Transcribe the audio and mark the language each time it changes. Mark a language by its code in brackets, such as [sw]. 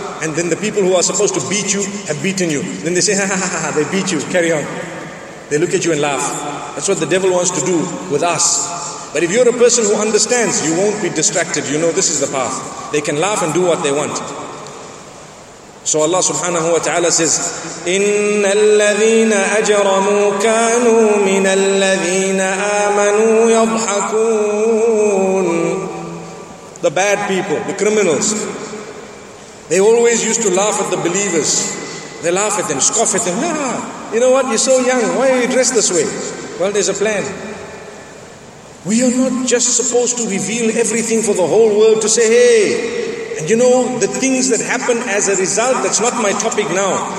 [en] And then the people who are supposed to beat you have beaten you. Then they say, ha ha ha ha, they beat you. Carry on. They look at you and laugh. That's what the devil wants to do with us. But if you're a person who understands, you won't be distracted. You know this is the path. They can laugh and do what they want. So Allah subhanahu wa ta'ala says, [ar] إِنَّ الَّذِينَ أَجْرَمُوا كَانُوا مِنَ الَّذِينَ آمَنُوا يَضْحَكُونَ. [en] The bad people, the criminals, they always used to laugh at the believers. They laugh at them, scoff at them. Yeah, you know what? You're so young. Why are you dressed this way? Well, there's a plan. We are not just supposed to reveal everything for the whole world to say, hey, and you know, the things that happen as a result, that's not my topic now.